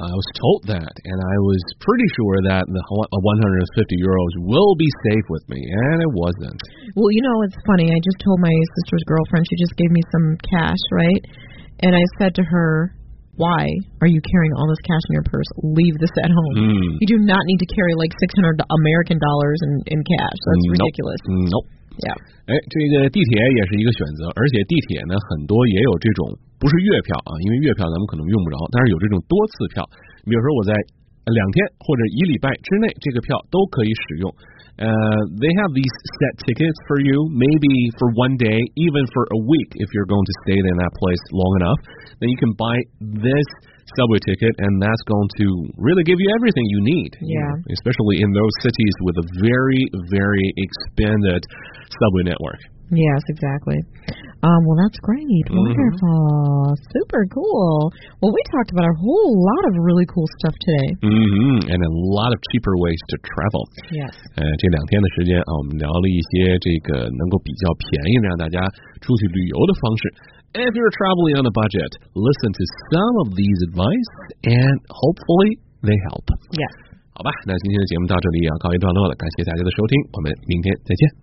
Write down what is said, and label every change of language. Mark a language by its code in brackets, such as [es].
[en] I was told that, and I was pretty sure that the 150 euros will be safe with me, and it wasn't. Well, you know, it's funny. I just told my sister's girlfriend, she just gave me some cash, right? And I said to her, why are you carrying all this cash in your purse? Leave this at home. Mm. You do not need to carry like 600 American dollars in cash. That's ridiculous. Nope. Yeah. [zh] 这个地铁也是一个选择，而且地铁呢很多也有这种不是月票啊，因为月票咱们可能用不着，但是有这种多次票。比如说我在两天或者一礼拜之内这个票都可以使用。 [en] They have these set tickets for you, maybe for one day, even for a week, if you're going to stay in that place long enough. Then you can buy this subway ticket, and that's going to really give you everything you need. Yeah. Especially in those cities with a very, very expanded subway network. Yes, exactly. Well, that's great. Wonderful. Mm-hmm. Super cool. Well, we talked about a whole lot of really cool stuff today. Mm-hmm. And a lot of cheaper ways to travel. Yes. [zh] 这两天的时间啊，我们聊了一些这个能够比较便宜让大家出去旅游的方式。 [en] If you're traveling on a budget, listen to some of these advice and hopefully they help. Yes. [zh] 好吧，那今天的节目到这里要告一段落了。感谢大家的收听，我们明天再见。